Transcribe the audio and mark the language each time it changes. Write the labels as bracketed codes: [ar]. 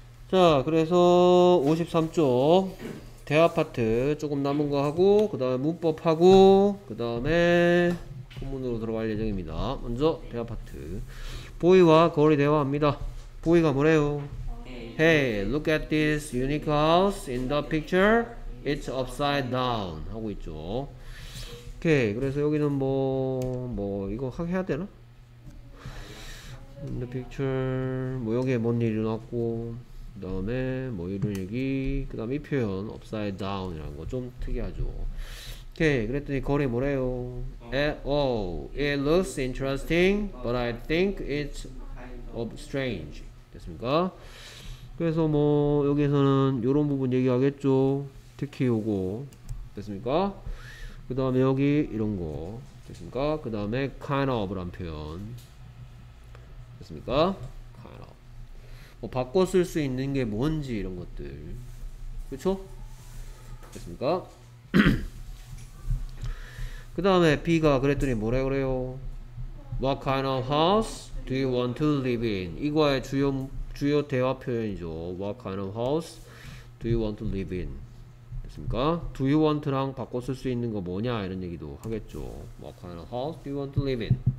[ko] 자, 그래서 53쪽 대화파트 조금 남은 거 하고 그다음에 문법하고 그다음에 본문으로 들어갈 예정입니다. 먼저 대화파트. 보이와 거울이 대화합니다. 보이가 뭐래요? [en] Hey, look at this unique house in the picture. It's upside down [ko] 하고 있죠. 오케이. 그래서 여기는 이거 해야 되나? [en] In the picture [ko] 뭐 여기에 뭔 일이 났고 그 다음에 뭐 이런 얘기 그 다음에 이 표현 upside down 이라는 거좀 특이하죠. 오케이. 그랬더니 거울이 뭐래요? [en] At all, it looks interesting, but I think it's strange. [ko] 됐습니까? 그래서 뭐 여기에서는 요런 부분 얘기하겠죠. 특히 요거 됐습니까? 그 다음에 여기 이런 거 됐습니까? 그 다음에 kind of란 표현 됐습니까? kind of 뭐 바꿔 쓸수 있는 게 뭔지 이런 것들 그쵸? 됐습니까? 그 다음에 B가 그랬더니 뭐래 그래요? [en] What kind of house do you want to live in? [ko] 이거의 주요 대화 표현이죠. [en] What kind of house do you want to live in? [ko] 됐습니까? [en] Do you want [ko] 랑 바꿔 쓸수 있는 거 뭐냐 이런 얘기도 하겠죠. [en] What kind of house do you want to live in?